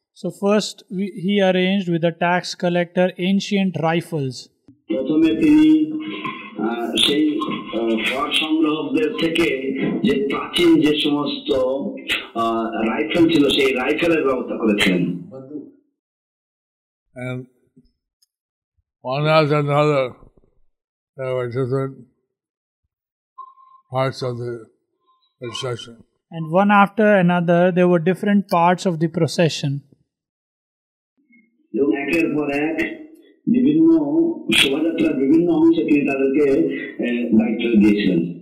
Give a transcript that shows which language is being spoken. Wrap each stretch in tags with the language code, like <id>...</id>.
<en>So first he arranged with the tax collector ancient rifles.</en> <bn>প্রথমে তিনি সেই কর সংগ্রহকদের থেকে যে প্রাচীন যে সমস্ত রাইফেল ছিল সেই রাইফেলের ব্যবস্থা করেছিলেন।</bn> <en>And one after another, there were different parts of the procession. And one after another, there were different parts of the procession.</en> <bn>একের পর এক বিভিন্ন শোভাযাত্রার বিভিন্ন অংশে তিনি তাদেরকে দায়িত্ব দিয়েছিলেন।</bn>